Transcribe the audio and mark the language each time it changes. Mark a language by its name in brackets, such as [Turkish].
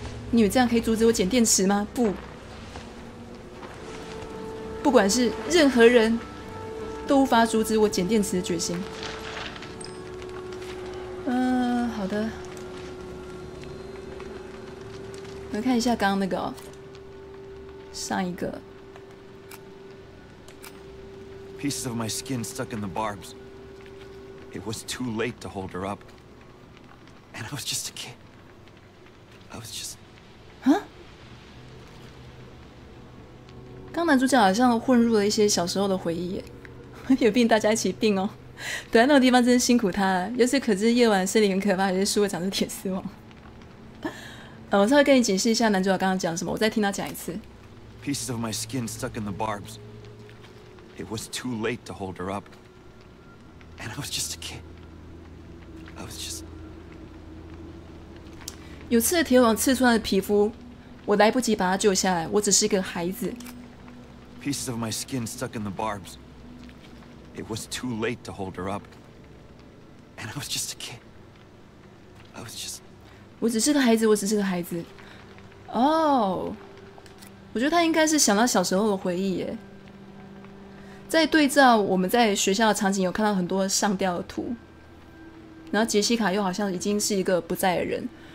[Chinese] 你们这样可以阻止我剪电池吗？不，不管是任何人都无法阻止我剪电池的决心。好的。我们看一下刚刚那个、哦、上一个 [English] pieces of my skin stuck in the barbs. It was too late to hold her up, and I was just a kid. I was just. Huh? [Chinese] 当男主角好像混入了一些小时候的回忆耶，有病大家一起病哦。躲在那个地方真是辛苦他了，由此可知夜晚森林很可怕，还是树会长出铁丝网。我稍微跟你解释一下男主角刚刚讲什么，我再听他讲一次。 [English] Pieces of my skin stuck in the barbs. It was too late to hold her up. And I was just a kid. I was just. [Chinese] 有刺的铁网刺穿了皮肤，我来不及把他救下来，我只是一个孩子。 [English] Pieces of my skin stuck in the barbs. It was too late to hold her up. And I was just a kid. I was just. [Chinese] 我只是个孩子，我只是个孩子。哦、oh.。我觉得他应该是想到小时候的回忆耶。在对照我们在学校的场景，有看到很多上吊的图，然后杰西卡又好像已经是一个不在的人。